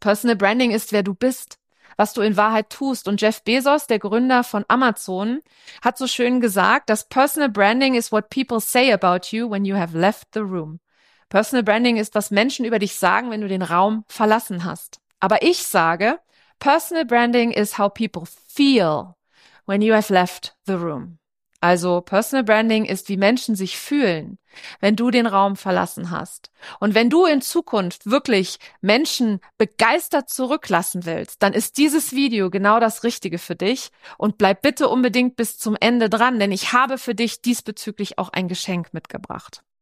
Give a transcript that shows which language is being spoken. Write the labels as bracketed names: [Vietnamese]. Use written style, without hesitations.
[German] Personal Branding ist, wer du bist, was du in Wahrheit tust. Und Jeff Bezos, der Gründer von Amazon, hat so schön gesagt, dass [English] Personal Branding is what people say about you when you have left the room. [German] Personal Branding ist, was Menschen über dich sagen, wenn du den Raum verlassen hast. Aber ich sage, [English] Personal Branding is how people feel when you have left the room. [German] Also Personal Branding ist, wie Menschen sich fühlen, wenn du den Raum verlassen hast. Und wenn du in Zukunft wirklich Menschen begeistert zurücklassen willst, dann ist dieses Video genau das Richtige für dich. Und bleib bitte unbedingt bis zum Ende dran, denn ich habe für dich diesbezüglich auch ein Geschenk mitgebracht.